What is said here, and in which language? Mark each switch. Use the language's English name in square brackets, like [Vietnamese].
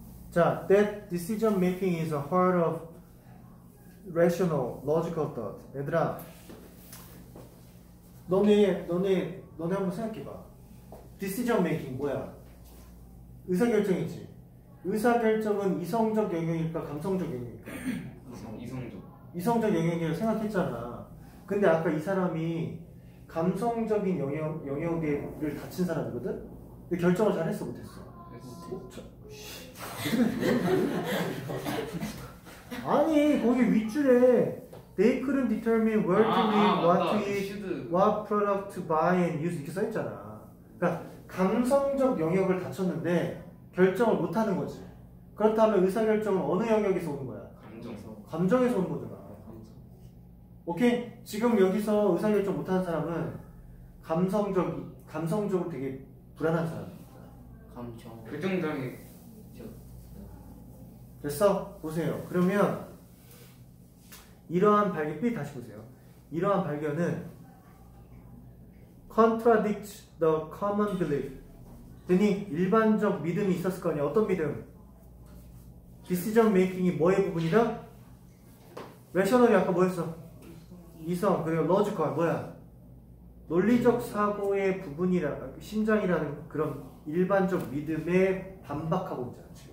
[Korean] 자, [English] that decision making is a heart of rational, logical thought. [Korean] 얘들아, 너네 한번 생각해봐. Decision making 뭐야? 의사결정이지. 의사결정은 이성적 영역일까, 감성적 영역일까? 이성적 영역이라고 생각했잖아. 근데 아까 이 사람이 감성적인 영역을 다친 사람이거든? 근데 결정을 잘 했어, 못했어? 했어. 아니, 거기 윗줄에 [English] They couldn't determine where to live, what to eat, what product to buy and use [Korean] 이렇게 써있잖아. 그러니까 감성적 영역을 다쳤는데 결정을 못하는 거지. 그렇다면 의사결정은 어느 영역에서 오는 거야? 감정에서 오는 거잖아. 오케이? 지금 여기서 의사결정 못하는 사람은 감성적으로 되게 불안한 사람입니다. 감정 결정장애. 됐어? 보세요. 그러면 이러한 발견, 삐 다시 보세요. 이러한 발견은 [English] contradict the common belief. [Korean] 되니? 일반적 믿음이 있었을 거 아니야. 어떤 믿음? Decision making이 뭐의 부분이다? Rational이 아까 뭐였어? 이성. 그리고 logical 뭐야? 논리적 사고의 부분이라, 심장이라는 그런 일반적 믿음에 반박하고 있잖아.